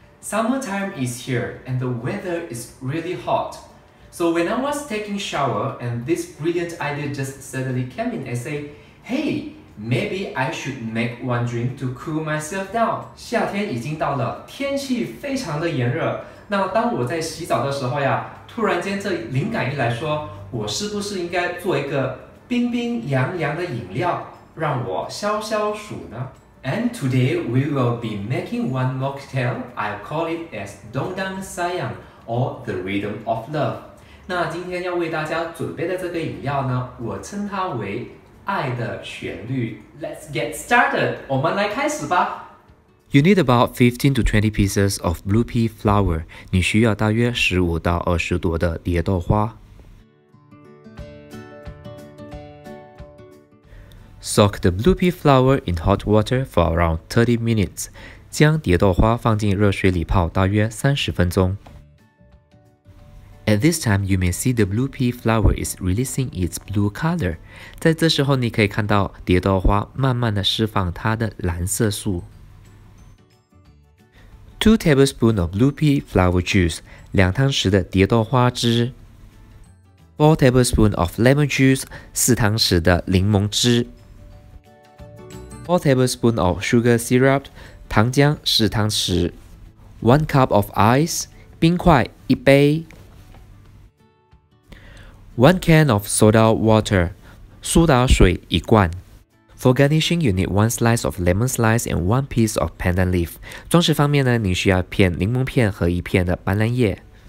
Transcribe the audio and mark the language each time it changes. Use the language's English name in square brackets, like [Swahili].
[English] Summertime is here and the weather is really hot. So when I was taking shower and this brilliant idea just suddenly came in, I say, hey, maybe I should make one drink to cool myself down. [Chinese] 夏天已经到了，天气非常的炎热。那当我在洗澡的时候呀，突然间这灵感一来说，我是不是应该做一个冰冰凉凉的饮料让我消消暑呢？ [English] And today we will be making one mocktail. I call it as Dondang Sayang or the rhythm of love. [Chinese] 那今天要为大家准备的这个饮料呢，我称它为爱的旋律。 [English] Let's get started. [Chinese] 我们来开始吧。 [English] You need about 15 to 20 pieces of blue pea flour. [Chinese] 你需要大约15到20朵的蝶豆花。 [English] Soak the blue pea flour in hot water for around 30 minutes. [Chinese] 将蝶豆花放进热水里泡大约30分钟。 [English] At this time, you may see the blue pea flour is releasing its blue color. [Chinese] 在这时候你可以看到蝶豆花慢慢地释放它的蓝色素。 [English] 2 tablespoons of blue pea flour juice, [Chinese] 两汤匙的蝶豆花汁。 [English] 4 tablespoons of lemon juice, [Chinese] 四汤匙的柠檬汁。 [English] 4 tablespoons of sugar syrup, [Chinese] 糖浆4汤匙。 [English] 1 cup of ice, [Chinese] 冰块一杯。 [English] 1 can of soda water, [Chinese] 苏打水一罐。 [English] For garnishing, you need 1 slice of lemon slice and 1 piece of pandan leaf. [Chinese] 装饰方面呢，你需要片柠檬片和一片的斑斓叶。